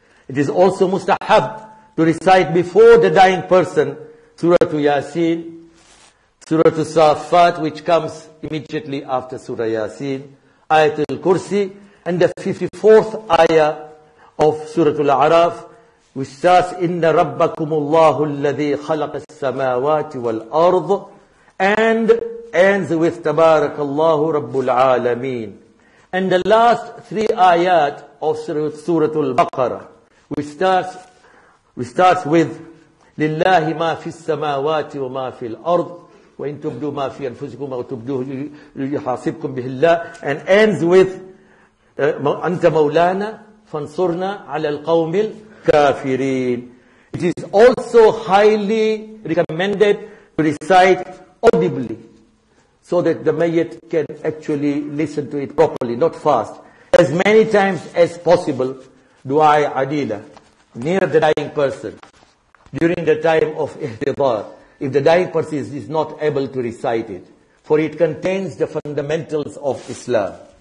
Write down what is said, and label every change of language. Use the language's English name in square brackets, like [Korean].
[English] It is also mustahab to recite before the dying person Surah Yasin, Surah Safat, which comes immediately after Surah Yasin, Ayatul Kursi, and the 54th ayah of Surah Al-A'raf, which says, [Arabic] إِنَّ رَبَّكُمُ اللَّهُ الَّذِي خَلَقَ السَّمَاوَاتِ وَالْأَرْضِ, [English] and ends with [Arabic] تَبَارَكَ اللَّهُ رَبُّ الْعَالَمِينَ. [English] And the last three ayat of Surah Al-Baqarah, which starts with [Arabic] لِلَّهِ مَا فِي السَّمَاوَاتِ وَمَا فِي الْأَرْضِ وَإِنْ تُبْدُوا مَا فِي أَنفُسِكُمْ أَوْ تُبْدُوهُ يُحَاسِبْكُمْ بِهِ اللَّهِ, [English] and ends with [Arabic] أَنْتَ مَوْلَانَا فَانْصُرْنَا عَلَى الْقَوْمِ الْكَافِرِينَ. [English] It is also highly recommended to recite audibly so that the mayyit can actually listen to it properly, not fast. as many times as possible, Du'a-i Adila, near the dying person, during the time of Ihtibar, if the dying person is not able to recite it, for it contains the fundamentals of Islam.